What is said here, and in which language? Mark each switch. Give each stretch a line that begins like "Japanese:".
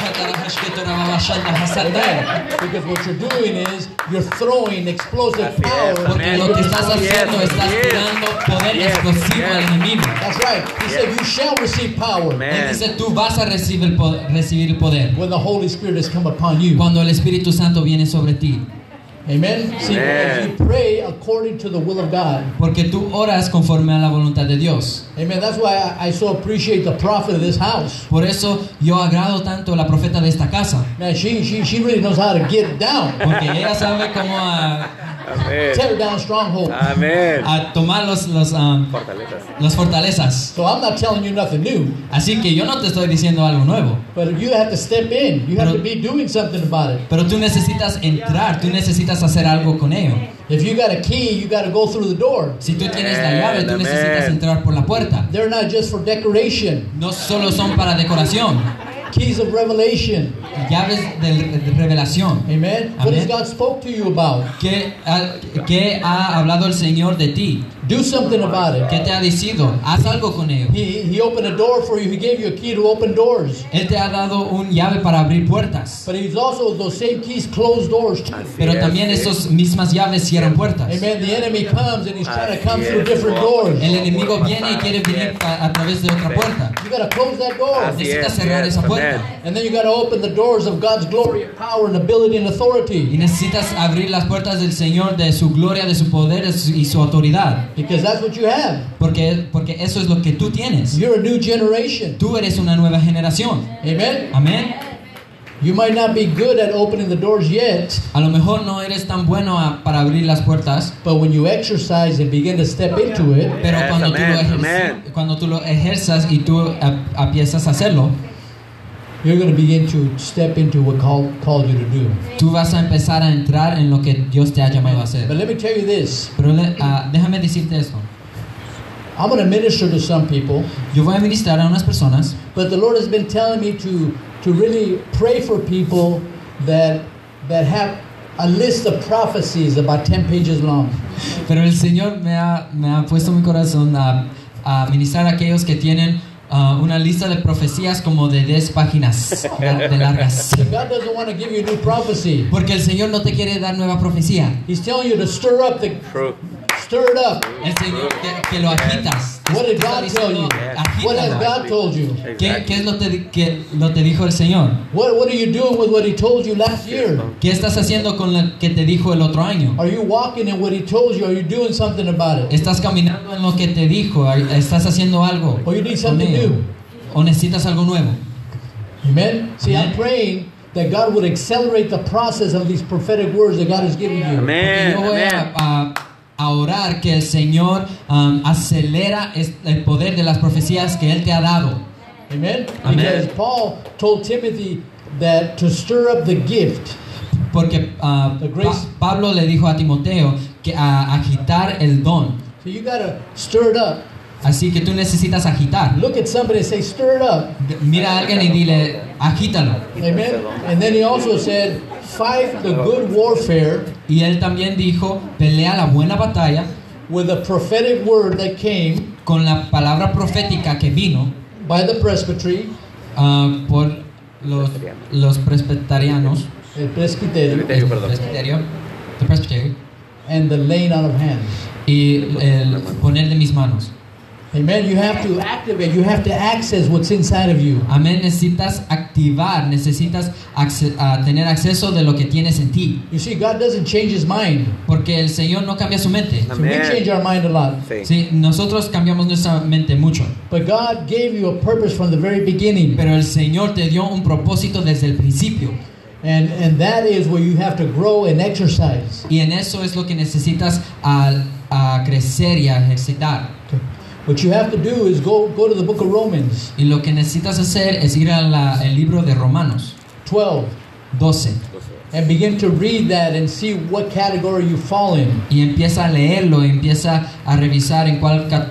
English: Because what you're doing is you're throwing explosive power.
Spanish: Porque lo que estás haciendo es tirando poder explosivo al enemigo.
English: That's right. He said you shall receive power.
Spanish: Él dice tú vas a recibir el poder.
English: When the Holy Spirit has come upon you.
Spanish: Cuando el Espíritu Santo viene sobre ti.
English: Amen. See, if you pray according to the will of God.
Spanish: Porque tú oras conforme a la voluntad de Dios.
English: Amen. That's why I so appreciate the prophet of this house.
Spanish: Por eso yo agrado tanto la profeta de esta casa.
English: Man, she really knows how to get down.
Spanish: Porque ella sabe cómo
English: tear down strongholds. Amen.
Spanish: A tomar las fortalezas.
English: So I'm not telling you nothing new.
Spanish: Así que yo no te estoy diciendo algo nuevo.
English: But you have to step in. You have to be doing something about it.
Spanish: Pero tú necesitas entrar. Tú necesitas hacer algo con ello.
English: If you got a key, you got to go through the door.
Spanish: Si tú tienes la llave, tú necesitas entrar por la puerta.
English: They're not just for decoration.
Spanish: No solo son para decoración.
English: Keys of revelation.
Spanish: Llaves de revelación.
English: Amen. What has God spoke to you about?
Spanish: ¿Qué ha hablado el Señor de ti?
English: Do something about it.
Spanish: ¿Qué te ha dicho? Haz algo con ello.
English: He opened a door for you. He gave you a key to open doors.
Spanish: Él te ha dado un llave para abrir puertas.
English: But he's also those same keys close doors.
Spanish: Pero también esas mismas llaves cierran puertas.
English: Amen. The enemy comes and he's trying to come through different doors.
Spanish: El enemigo viene y quiere venir a través de otra puerta.
English: You gotta close that door.
Spanish: Necesitas cerrar esa puerta.
English: And then you gotta open the doors of God's glory, power, and ability and authority.
Spanish: Y necesitas abrir las puertas del Señor de su gloria, de su poder y su autoridad.
English: Because that's what you have.
Spanish: Porque eso es lo que tú tienes.
English: You're a new generation.
Spanish: Tú eres una nueva generación.
English: Amen. Amen. You might not be good at opening the doors yet.
Spanish: A lo mejor no eres tan bueno para abrir las puertas.
English: But when you exercise and begin to step into it.
Spanish: Pero cuando tú lo ejerzas y tú empiezas a hacerlo.
English: You're going to begin to step into what God called you to do.
Spanish: Tú vas a empezar a entrar en lo que Dios te ha llamado a hacer.
English: But let me tell you this.
Spanish: Pero déjame decirte esto.
English: I'm going to minister to some people.
Spanish: Yo voy a ministrar a unas personas.
English: But the Lord has been telling me to really pray for people that have a list of prophecies about 10 pages long.
Spanish: Pero el Señor me ha puesto en mi corazón a ministrar a aquellos que tienen una lista de profecías como de 10 páginas de largas.
English: God doesn't want to give you new prophecy.
Spanish: Porque el Señor no te quiere dar nueva profecía.
English: He's telling you to stir up the stir it up.
Spanish: El Señor que lo agitas.
English: What did God tell you? What has God told you?
Spanish: ¿Qué es lo que te dijo el Señor?
English: What are you doing with what he told you last year?
Spanish: ¿Qué estás haciendo con lo que te dijo el otro año?
English: Are you walking in what he told you? Are you doing something about it?
Spanish: ¿Estás caminando en lo que te dijo? ¿Estás haciendo algo?
English: Or you need something new.
Spanish: ¿O necesitas algo nuevo?
English: Amen. See, I'm praying that God would accelerate the process of these prophetic words that God has given you. Amen.
Spanish: A orar que el Señor acelera el poder de las profecías que él te ha dado. Amen. Amen.
English: Because Paul told Timothy that to stir up the gift.
Spanish: Porque
English: the grace.
Spanish: Pablo le dijo a Timoteo que a agitar el don.
English: So you gotta stir it up.
Spanish: Así que tú necesitas agitar.
English: Look at somebody and say, stir it up.
Spanish: Mira a alguien y dile, agítalo.
English: Amen. And then he also said, fight the good warfare.
Spanish: Y él también dijo, pelea la buena batalla.
English: With the prophetic word that came.
Spanish: Con la palabra profética que vino.
English: By the presbytery.
Spanish: Por los presbiterianos. El presbiterio. Presbiterio, perdón. Presbiterio.
English: The presbytery. And the laying out of hands.
Spanish: Y el poner de mis manos.
English: Amen. You have to activate. You have to access what's inside of you.
Spanish: Amen. Necesitas activar. Necesitas tener acceso de lo que tienes en ti.
English: You see, God doesn't change His mind.
Spanish: Porque el Señor no cambia su mente.
English: So we change our mind a lot.
Spanish: Sí. Nosotros cambiamos nuestra mente mucho.
English: But God gave you a purpose from the very beginning.
Spanish: Pero el Señor te dio un propósito desde el principio.
English: And that is where you have to grow and exercise.
Spanish: Y en eso es lo que necesitas a crecer y a ejercitar.
English: What you have to do is go to the book of Romans.
Spanish: Y lo que necesitas hacer es ir al libro de Romanos. 12.
English: And begin to read that and see what category you fall in.
Spanish: Y empieza a leerlo, empieza a revisar en cuál